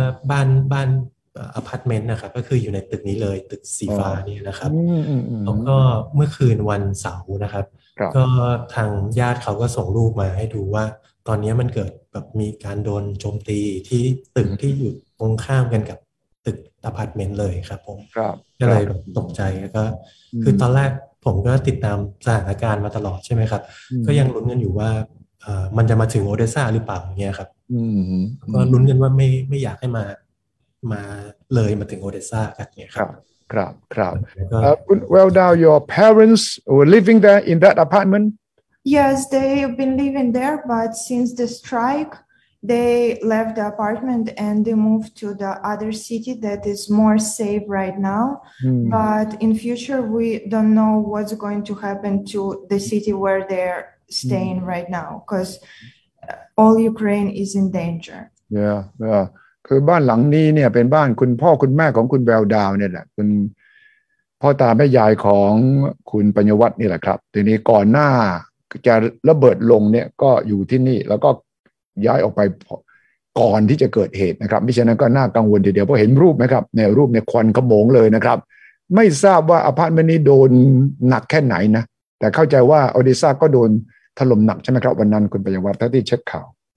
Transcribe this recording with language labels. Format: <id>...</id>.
<th>บ้านอพาร์ตเมนต์นะครับก็คืออยู่ในตึกนี้เลยตึกสีฟ้านี่นะครับแล้วก็เมื่อคืนวันเสาร์นะครับก็ทางญาติเขาก็ส่งรูปมาให้ดูว่าตอนนี้มันเกิดแบบมีการโดนโจมตีที่ตึกที่อยู่ตรงข้ามกันกับตึกอพาร์ตเมนต์เลยครับผม ครับ ก็เลยตกใจแล้วก็คือตอนแรกผมก็ติดตามสถานการณ์มาตลอดใช่ไหมครับก็ยังลุ้นกันอยู่ว่ามันจะมาถึงโอเดซ่าหรือเปล่าเงี้ยครับก็ลุ้นกันว่าไม่อยากให้มาเลยมาถึงโอเดซ่า ครับ ครับครับครับคุณ</th> <en>Well now your parents were living there in that apartment yes they have been living there but since the strikeThey left the apartment and they moved to the other city that is more safe right now. Mm-hmm. But in future, we don't know what's going to happen to the city where they're staying mm-hmm. right now, because all Ukraine is in danger. Yeah, yeah.</en> <th>คือบ้านหลังนี้เนี่ยเป็นบ้านคุณพ่อคุณแม่ของคุณแววดาวเนี่ยแหละคุณพ่อตาแม่ยายของคุณปัญญวัฒน์นี่แหละครับทีนี้ก่อนหน้าจะระเบิดลงเนี่ยก็อยู่ที่นี่แล้วก็ย้ายออกไปก่อนที่จะเกิดเหตุนะครับไม่ฉะนั้นก็น่ากังวลทีเดียวเพราะเห็นรูปไหมครับในรูปเนี่ยควันขโมงเลยนะครับไม่ทราบว่าอพาร์ตเมนต์นี้โดนหนักแค่ไหนนะแต่เข้าใจว่าออเดซ่าก็โดนถล่มหนักใช่ไหมครับวันนั้นคุณปัญญวัฒน์ที่เช็คข่าว</th>